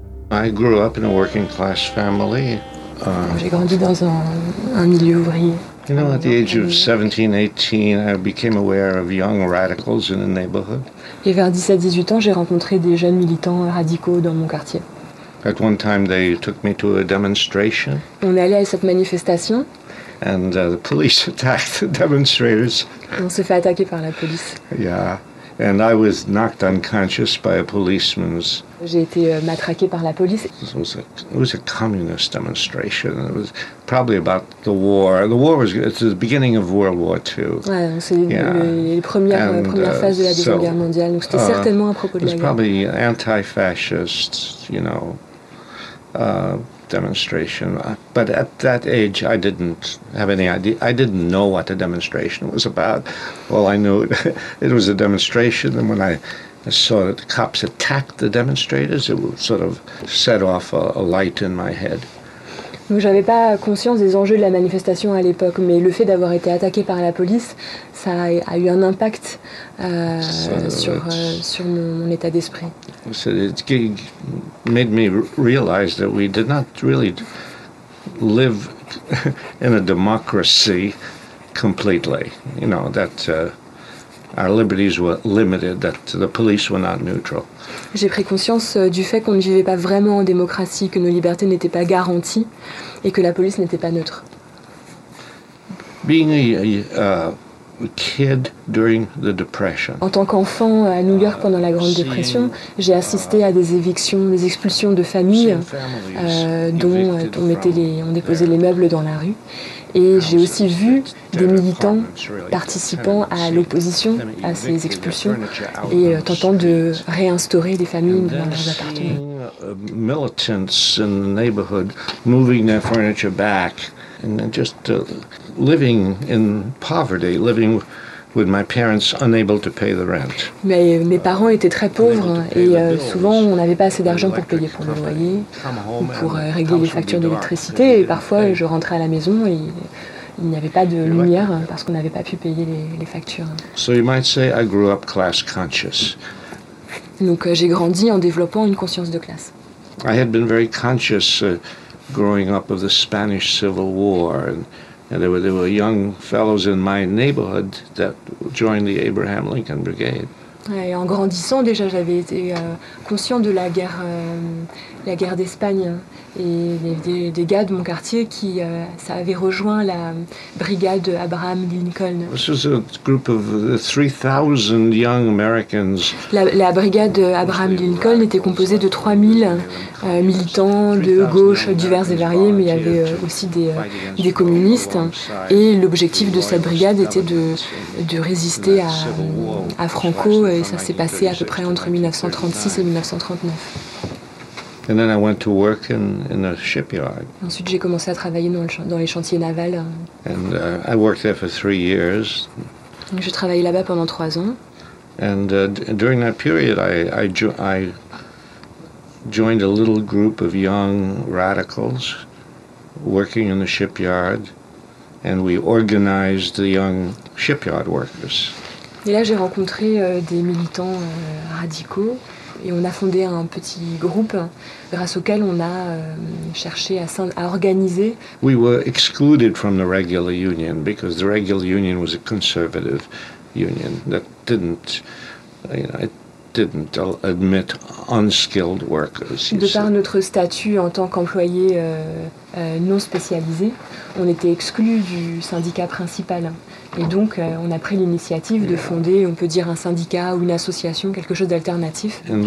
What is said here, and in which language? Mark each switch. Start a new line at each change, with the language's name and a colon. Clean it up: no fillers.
English: I grew up in a working class family.
French: J'ai grandi dans un milieu ouvrier.
English: You know, at the age of 17, 18, I became aware of young radicals in the neighborhood.
French: Et vers 17-18 ans, j'ai rencontré des jeunes militants radicaux dans mon quartier.
English: At one time, they took me to a demonstration.
French: On est allé à cette manifestation.
English: And the police attacked the demonstrators.
French: On s'est fait attaquer par la police.
English: Yeah. And I was knocked unconscious by a policeman's.
French: J'ai été matraqué par la police.
English: It was a communist demonstration. It was probably about the war. The war was it's the beginning of World War II.
French: Ouais, c'est yeah. les premières phases de la Deuxième Guerre mondiale. Donc c'était certainement à propos de la guerre.
English: It was probably anti-fascist, you know, demonstration. But at that age, I didn't have any idea. I didn't know what the demonstration was about. All I knew, it was a demonstration. And when I saw that the cops attacked the demonstrators, it sort of set off a light in my head.
French: Donc j'avais pas conscience des enjeux de la manifestation à l'époque, mais le fait d'avoir été attaqué par la police, ça a eu un impact sur mon état d'esprit.
English: So it made me realize that we did not really live in a democracy completely. You know that our liberties were limited, that the police were not neutral.
French: J'ai pris conscience du fait qu'on ne vivait pas vraiment en démocratie, que nos libertés n'étaient pas garanties et que la police n'était pas neutre.
English: Being a kid during the depression.
French: En tant qu'enfant à New York pendant la Grande Dépression, j'ai assisté à des évictions, des expulsions de familles dont on déposait les meubles dans la rue. Et j'ai aussi vu des militants participant à l'opposition à ces expulsions et tentant de réinstaurer des familles dans leurs appartements.
English: Militants in the neighborhood moving their furniture back and just living in poverty, living with my parents unable to pay the rent.
French: Mais mes parents étaient très pauvres et souvent on n'avait pas assez d'argent pour payer pour le loyer ou pour régler les factures d'électricité. Et parfois je rentrais à la maison et il n'y avait pas de lumière parce qu'on n'avait pas pu payer les factures.
English: So you might say I grew up class conscious.
French: Donc j'ai grandi en développant une conscience de classe.
English: I had been very conscious growing up of the Spanish Civil War. And there were young fellows in my neighborhood that joined the Abraham Lincoln Brigade.
French: Et en grandissant déjà, j'avais été conscient de la guerre d'Espagne et des gars de mon quartier qui avaient rejoint la brigade Abraham Lincoln.
English: This was a group of 3,000 young Americans.
French: La brigade Abraham Lincoln était composée de 3,000 militants de gauche divers et variés, mais il y avait aussi des communistes. Et l'objectif de cette brigade était de résister à Franco. Et ça s'est passé à peu près entre 1936 et 1939.
English: And then I went to work in a shipyard.
French: Ensuite, j'ai commencé à travailler dans les chantiers navals.
English: And I worked there for 3 years.
French: Donc, j'ai travaillé là-bas pendant 3 ans.
English: And during that period, I joined a little group of young radicals working in the shipyard, and we organized the young shipyard workers.
French: Et là, j'ai rencontré des militants radicaux. Et on a fondé un petit groupe grâce auquel on a cherché à organiser.
English: We were excluded from the regular union because the regular union was a conservative union that didn't, you know, didn't admit unskilled workers.
French: De par notre statut en tant qu'employés non spécialisés, on était exclus du syndicat principal. Et donc, on a pris l'initiative de fonder, on peut dire, un syndicat ou une association, quelque chose d'alternatif.